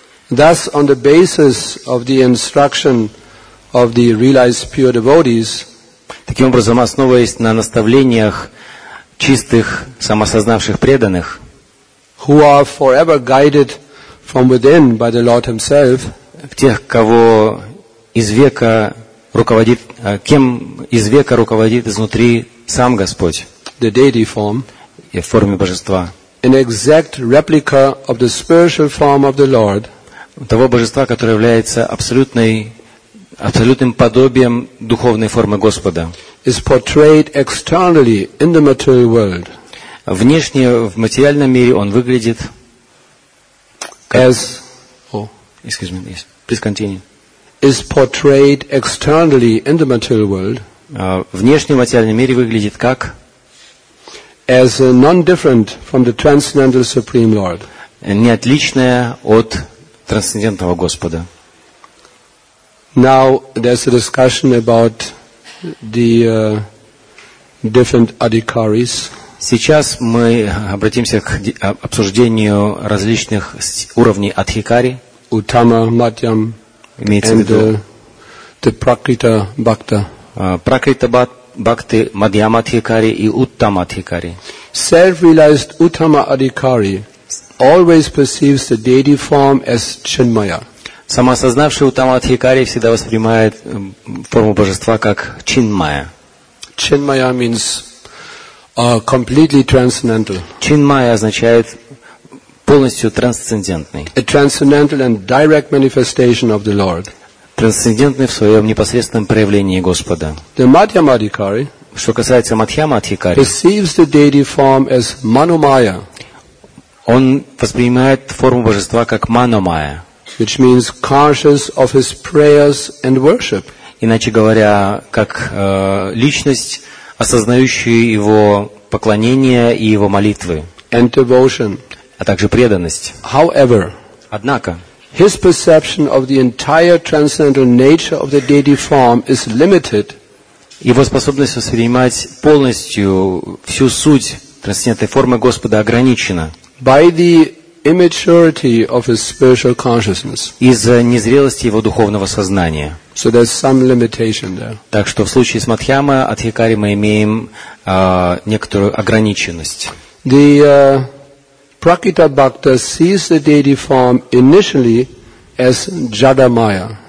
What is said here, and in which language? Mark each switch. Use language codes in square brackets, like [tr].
[en] Thus, on the basis of the instruction of the realized pure devotees. [ru] Таким образом, основываясь на наставлениях чистых самосознавших преданных, [en] who are forever guided from within by the Lord Himself, [ru] тех, кого из века руководит, кем из века руководит изнутри сам Господь, [en] the deity form, [ru] и в форме божества, [en] an exact replica of the spiritual form of the Lord, [ru] того божества, которое является абсолютным подобием духовной формы Господа, [en] is portrayed externally in the material world. [ru] Внешне в материальном мире он выглядит как, [en] as oh, excuse me, yes, please continue. Is portrayed externally in the material world. [ru] Внешне в материальном мире выглядит как [en] as non-different from the transcendental supreme Lord. [ru] Неотличное от трансцендентного Господа. [en] Now there's a discussion about the different adhikaris. [ru] Сейчас мы обратимся к обсуждению различных уровней адхикари. [en] Утама, матьям, and the пракрита бхакта. [ru] Пракрита бхакти, мадьяма адхикари и уттама адхикари. [en] Self-realized Uttama adhikari always perceives the deity form as Chinmaya. [ru] Самоосознавший Уттама Адхикари всегда воспринимает форму Божества как Чинмая. [en] Чинмая means completely transcendental. [ru] Чинмая означает полностью трансцендентный. [en] A transcendental and direct manifestation of the Lord. [ru] Трансцендентный в своем непосредственном проявлении Господа. [en] The Madhyama Adhikari, [ru] что касается Мадхьяма Адхикари, [en] perceives the deity form as Manomaya. [ru] Он воспринимает форму Божества как Манумая. [en] Which means conscious of his prayers and worship. [ru] Иначе говоря, как личность, осознающая его поклонение и его молитвы. [en] And devotion. [ru] А также преданность. [en] However, [ru] однако, [en] his perception of the entire transcendental nature of the deity form is limited. [ru] Его способность воспринимать полностью всю суть трансцендентной формы Господа ограничена. [en] By the immaturity of his spiritual consciousness. [ru] Из-за незрелости его духовного сознания. [en] So there's some limitation there. [ru] Так что в случае с Мадхьяма Адхикари мы имеем некоторую ограниченность. [en] The Prakita Bhakta sees the deity form initially as Jagamaya.